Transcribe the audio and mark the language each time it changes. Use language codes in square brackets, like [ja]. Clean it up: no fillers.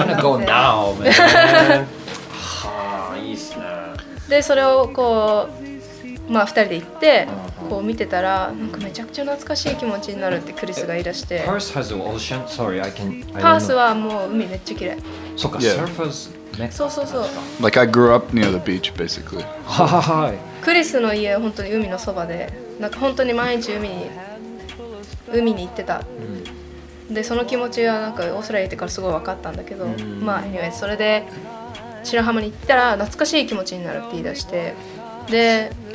[en] ッて。I wanna go now, man. [ja] はあ、いいっすね。でそれをこうまあ2人で行ってこう見てたら、なんかめちゃくちゃ懐かしい気持ちになるってクリスが言い出して、パースはオーシャン、 [en] Sorry, I can, [ja] パースはもう海めっちゃ綺麗、そうか、サーファーズ、そうそうそう、 [en] Like I grew up near the beach basically. [ja] はははい、クリスの家本当に海のそばで、なんか本当に毎日海に行ってた、うん、でその気持ちはなんかオーストラリア行ってからすごい分かったんだけど、うん、まあ anyway それで白浜に行ったら懐かしい気持ちになるって言い出して、で